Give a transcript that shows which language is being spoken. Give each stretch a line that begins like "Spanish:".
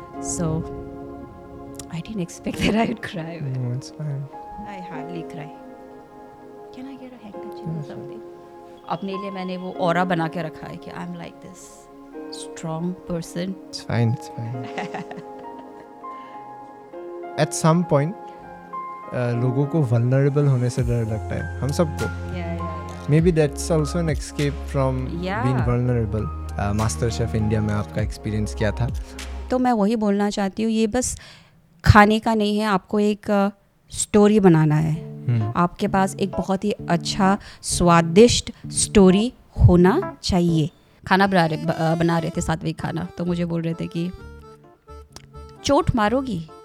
English: So I didn't expect that I would cry. No, it's fine. I hardly cry. Can I get a handkerchief or something?
Hindi: अपने लिए मैंने वो aura बना के रखा है कि I'm like this strong person.
English: It's fine. It's fine.
Hindi: At some point, लोगों को vulnerable होने से डर लगता है. हम सबको.
English: Maybe that's also an escape from being vulnerable.
Hindi: MasterChef India में आपका experience क्या था? तो मैं वही बोलना चाहती हूँ, ये बस खाने का नहीं है, आपको एक स्टोरी बनाना है. आपके पास एक बहुत ही अच्छा स्वादिष्ट स्टोरी होना चाहिए. खाना बना रहे थे सात्विक खाना, तो मुझे बोल रहे थे कि चोट मारोगी.